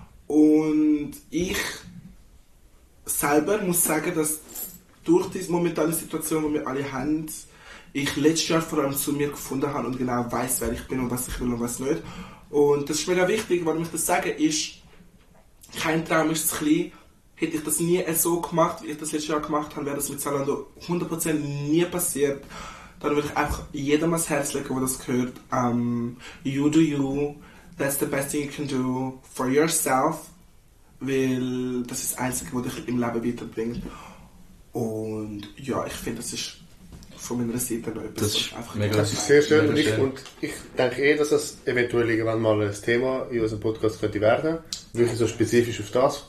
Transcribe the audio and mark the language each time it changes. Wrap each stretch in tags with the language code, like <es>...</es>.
<de>Und ich selber muss sagen, dass durch diese momentane Situation, die wir alle haben, ich letztes Jahr vor allem zu mir gefunden habe und genau weiss, wer ich bin und was ich will und was nicht. Und das ist mega wichtig, warum ich das sage, ist, kein Traum ist zu klein. Hätte ich das nie so gemacht, wie ich das letztes Jahr gemacht habe, wäre das mit Zalando 100% nie passiert. Dann würde ich einfach jedem ans Herz legen, der das gehört.</de> <en>You do you. That's the best thing you can do for yourself.</en> <de>Weil das ist das Einzige, was dich im Leben weiterbringt. Und ja, ich finde, das ist von meiner Seite noch etwas. Das ist einfach mega. Das ist sehr schön. Und ich denke eh, dass das eventuell irgendwann mal ein Thema in unserem Podcast könnte werden. Wirklich so spezifisch auf das.</de>